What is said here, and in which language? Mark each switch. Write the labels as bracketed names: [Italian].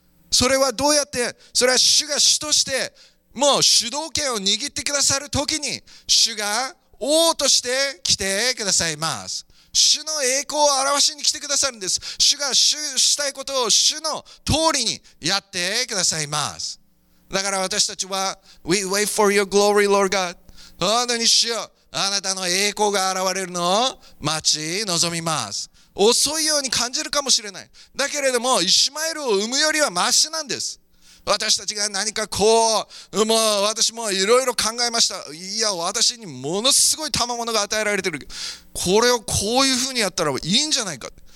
[Japanese] それはどうやって？それは主が主としてもう主導権を握ってくださるときに、主が王として来てくださいます。主の栄光を表しに来てくださるんです。主が主したいことを主の通りにやってくださいます。だから私たちは [English] We wait for your glory, Lord God. [Japanese] 本当に主よ、あなたの栄光が現れるのを待ち望みます。遅いように感じるかもしれない。だけれどもイシュマエルを産むよりはマシなんです。私たちが何かこう、もう私もいろいろ考えました。いや、私にものすごい賜物が与えられてる。これをこういうふうにやったらいいんじゃないか。